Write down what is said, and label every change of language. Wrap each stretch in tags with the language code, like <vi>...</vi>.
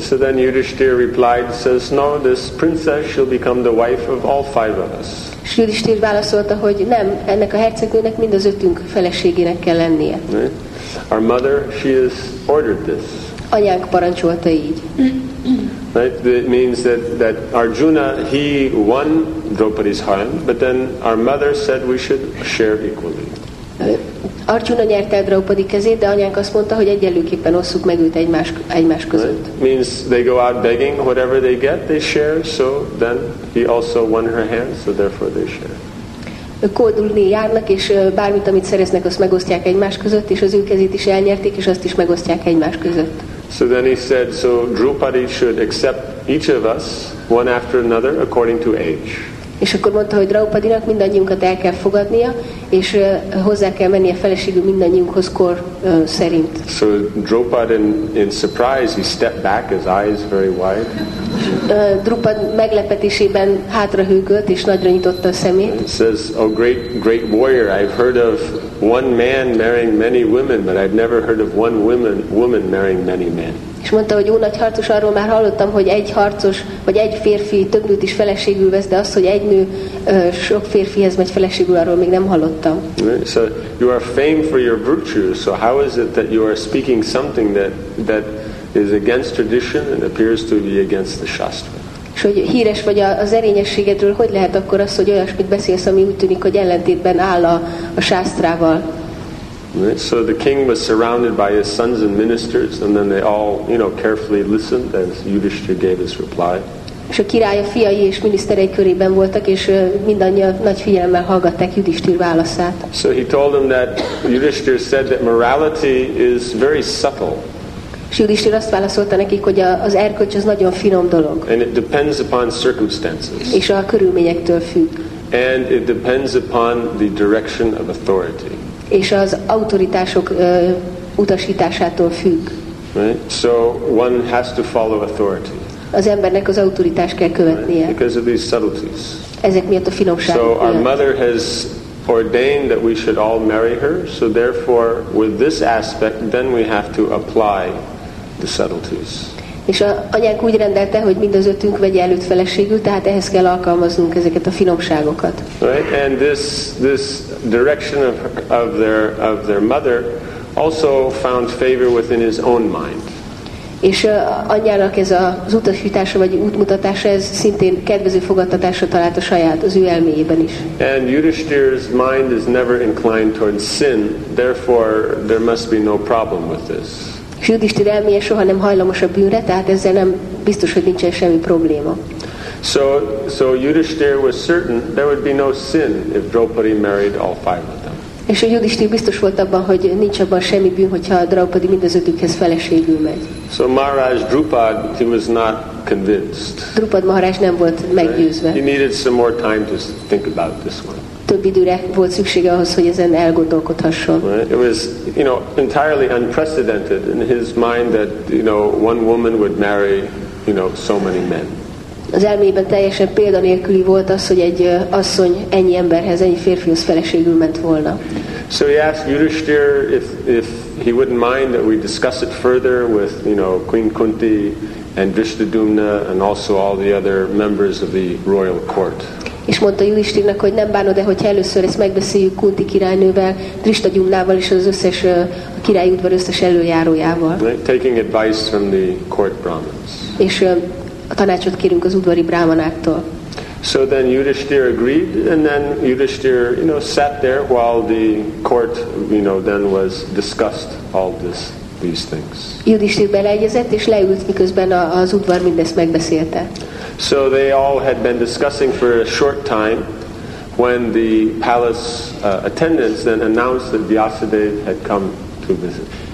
<en>So then Yudhishthira replied, says, "No, this princess shall become the wife of all five of us."</en> <hu>S Yudhishthira válaszolta, hogy nem, ennek a hercegnőnek mind az ötünk feleségének kell lennie.</hu> <en>Right? Our mother, she has ordered this.</en> <hu>Anyánk parancsolta így.</hu> <en>Right? It means that Arjuna, he won Draupadi's heart, but then our mother said we should share equally.</en> <hu>Arjuna nyerte el Draupadi kezét, de anyánk azt mondta, hogy egyenlőképpen osszuk meg őt egymás között.</hu> <en>Right? Means they go out begging, whatever they get, they share, so then he also won her hand, so therefore they share.</en> <hu>Kódulni járnak, és bármit, amit szereznek, azt megosztják egymás között, és az ő kezét is elnyerték, és azt is megosztják egymás között.</hu> <en>So then he said, so Draupadi should accept each of us, one after another, according to age.</en> <hu>És akkor mondta, hogy Draupadinak mindannyiunkat el kell fogadnia, és hozzá kell menni a feleségül mindannyiunkhoz kor szerint.</hu> <en>So Draupad in surprise, he stepped back, his eyes very wide.</en> <hu>Drupad meglepetésében hátra hűgött, és nagyra nyitotta a szemét.</hu> <en>It says, "Oh, great warrior, I've heard of one man marrying many women, but I've never heard of one woman marrying many men."</en> <hu>És mondta, hogy jó nagy harcos, arról már hallottam, hogy egy harcos, vagy egy férfi több nőt is feleségül vesz, de az, hogy egy nő sok férfihez megy feleségül, arról még nem hallottam.</hu> <en>So you are famed for your virtues, so how is it that you are speaking something that is against tradition and appears to be against the Shastra?</en> <hu>És hogy híres vagy az erényességedről, hogy lehet akkor az, hogy olyasmit beszélsz, ami úgy tűnik, hogy ellentétben áll a Shastrával?</hu> <en>Right? So the king was surrounded by his sons and ministers, and then they all, you know, carefully listened as Yudhishthira gave his reply.</en> <hu>És a király a fiai és miniszterei körében voltak, és mindannyian nagy figyelemmel hallgatták Yudhishthira válaszát.</hu> <en>So he told them that Yudhishthira said that morality is very subtle.</en> <hu>És Yudhishthira azt válaszolta nekik, hogy az erkölcs az nagyon finom dolog.</hu> <en>And it depends upon circumstances.</en> <hu>És a körülményektől függ.</hu> <en>And it depends upon the direction of authority.</en> <hu>És az autoritások utasításától függ.</hu> <en>Right? So one has to follow authority.</en> <hu>Az embernek az autoritást kell követnie.</hu> <en>Right? Because of these subtleties.</en> <hu>Ezek miatt a finomság.</hu> <en>So our mother has ordained that we should all marry her, so therefore with this aspect then we have to apply the subtleties.</en> <hu>És a anyánk úgy rendelte, hogy mindazötünk vegye előtt feleségül, tehát ehhez kell alkalmaznunk ezeket a finomságokat.</hu> <en>Right? And this direction of their mother also found favor within his own mind.</en> <hu>És anyának ez az utasítása vagy útmutatása, ez szintén kedvező fogadtatásra talált a saját, az ő elméjében is.</hu> <en>And Yudhishthira's mind is never inclined towards sin, therefore there must be no problem with this.</en> <hu>És Yudhishthira elméje soha nem hajlamos a bűnre, tehát ezzel nem biztos, hogy nincsen semmi probléma.</hu> <en>So Yudhishthira was certain there would be no sin if Draupadi married all five of them.</en> <hu>És a Yudhishthira biztos volt abban, hogy nincs abban semmi bűn, hogyha a Draupadi mindazötükhez feleségül megy.</hu> <en>So Maharaj Drupad, he was not convinced.</en> <hu>Drupad Maharaj nem volt meggyőzve.</hu> <en>He needed some more time to think about this one.</en> <hu>Több időre volt szüksége ahhoz, hogy ezen elgondolkodhasson.</hu> <en>It was, you know, entirely unprecedented in his mind that, you know, one woman would marry, you know, so many men.</en> <hu>Az elmében teljesen példanélküli volt az, hogy egy asszony ennyi emberhez, ennyi férfihoz feleségül ment volna.</hu> <en>So he asked Yudhishthira if he wouldn't mind that we discuss it further with, you know, Queen Kunti and Drishtadyumna and also all the other members of the royal court.</en> <hu>És mondta Yudhishthirának, hogy nem bánod, de hogy először ezt megbeszéljük Kunti királynővel, Drishtadyumnával és az összes a királyi udvar összes elöljárójával.</hu> <en>Taking advice from the court brahmins.</en> <hu>És a tanácsot kérünk az udvari brámanáktól.</hu> <en>So then Yudhishthira agreed, and then Yudhishthira, you know, sat there while the court, you know, then was discussed all these things.</en> <hu>Yudhishthira beleegyezett és leült, miközben az udvar mindezt megbeszélte.</hu> <en>So they all had been discussing for a short time when the palace attendants then announced that Vyasadeva had come to visit.</en>